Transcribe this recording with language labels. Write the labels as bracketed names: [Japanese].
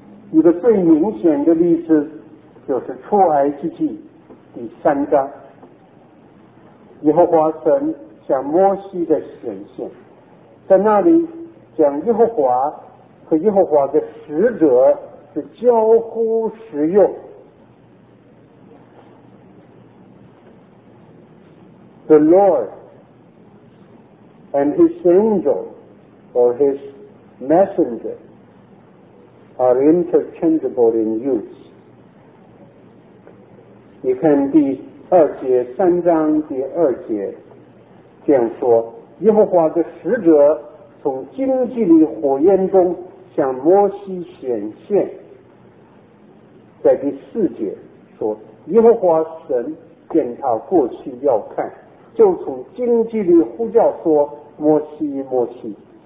[Chinese] 一个最明显的例子就是出埃及记第三章，耶和华神向摩西的显现，在那里讲耶和华和耶和华的使者是交乎实用。 [English] The Lord and His angel or His messenger are interchangeable in use. [Chinese] 你看第二节，三章第二节这样说，耶和华的使者从荆棘里火焰中向摩西显现。在第四节说，耶和华神见他过去要看，就从荆棘里呼叫说，摩西摩西。